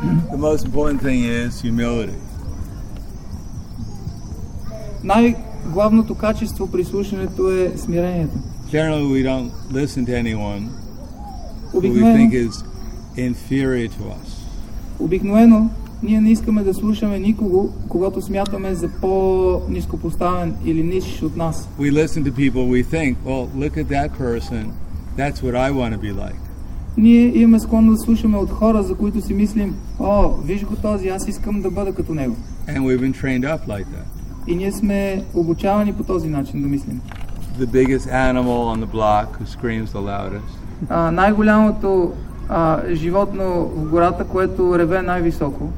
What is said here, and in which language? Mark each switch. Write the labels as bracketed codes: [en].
[en] The most important thing is humility. [bg] Най-главното качество при слушането е смирението. [en] Generally we don't listen to anyone who we think is inferior to us. [bg] Обикновено ние не искаме да слушаме никого, когато смятаме за по-нископоставен или нищ от нас. [en] We listen to people we think, well, look at that person, that's what I want to be like. [bg] Ние имаме склонно да слушаме от хора, за които си мислим, о, виж го този, аз искам да бъда като него. [en] And we've been trained up like that. [bg] И ние сме обучавани по този начин да мислим. [en] The biggest animal on the block who screams the loudest. [bg] Най-голямото животно в гората, което реве най-високо.